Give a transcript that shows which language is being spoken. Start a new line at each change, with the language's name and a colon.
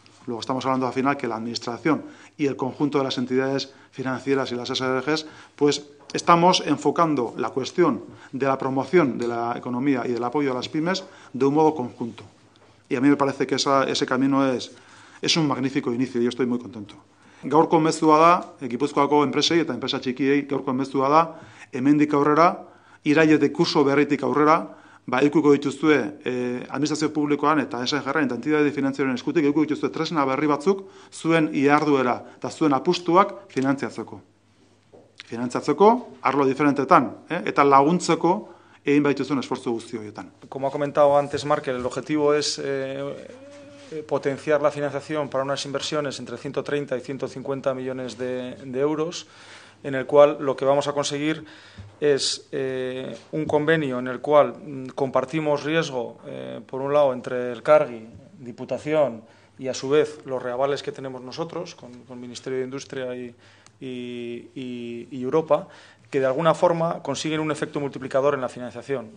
Spanish: Luego estamos hablando, al final, que la Administración y el conjunto de las entidades financieras y las SRGs, pues estamos enfocando la cuestión de la promoción de la economía y del apoyo a las pymes de un modo conjunto. Y a mí me parece que ese camino es un magnífico inicio, y yo estoy muy contento.
Basque: Gaurko mezua da, Gipuzkoako enpresei eta enpresa txikiei gaurko mezua da, hemendik aurrera, irailetik kurso berritik aurrera, edukiko dituzue administrazio publikoan eta SGR-en eta entitate finantzieroen eskutik, edukiko dituzue tresna berri batzuk zuen iharduera eta zuen apustuak finantziatzeko. Finantziatzeko, arlo diferentetan, eta laguntzeko, egin baituzuen esfortzu guzti horietan.
Spanish: Como ha comentado antes Markel, el objetivo es potenciar la financiación para unas inversiones entre 130 y 150 millones de euros, en el cual lo que vamos a conseguir es un convenio en el cual compartimos riesgo, por un lado, entre el Cargi, Diputación y, a su vez, los reavales que tenemos nosotros con Ministerio de Industria y Europa, que de alguna forma consiguen un efecto multiplicador en la financiación.